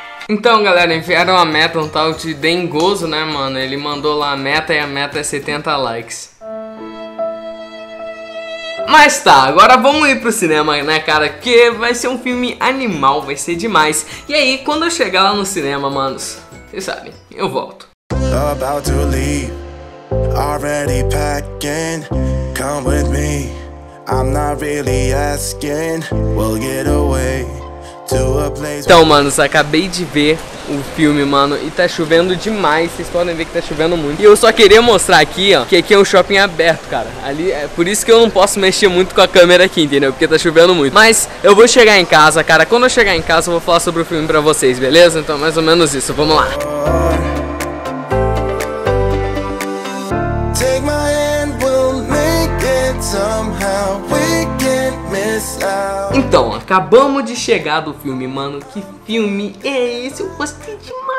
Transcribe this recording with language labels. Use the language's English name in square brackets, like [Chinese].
[Portuguese] Então, galera, enviaram a meta, um tal de Dengoso, né, mano? Ele mandou lá a meta e a meta é 70 likes. Mas tá, agora vamos ir pro cinema, né, cara? Que vai ser um filme animal, vai ser demais. E aí, quando eu chegar lá no cinema, manos, vocês sabem, eu volto. [English] About to leave, already packing. Come with me, I'm not really asking. We'll get away. [Portuguese] Então, manos, acabei de ver o filme, mano, e tá chovendo demais. Vocês podem ver que tá chovendo muito. E eu só queria mostrar aqui, ó, que aqui é um shopping aberto, cara. Ali, é por isso que eu não posso mexer muito com a câmera aqui, entendeu? Porque tá chovendo muito. Mas eu vou chegar em casa, cara. Quando eu chegar em casa, eu vou falar sobre o filme pra vocês, beleza? Então, mais ou menos isso. Vamos lá. [English] Take my hand, we'll make it somehow. We can't miss out. [Portuguese] Então, acabamos de chegar do filme, mano. Que filme é esse? Eu gostei demais!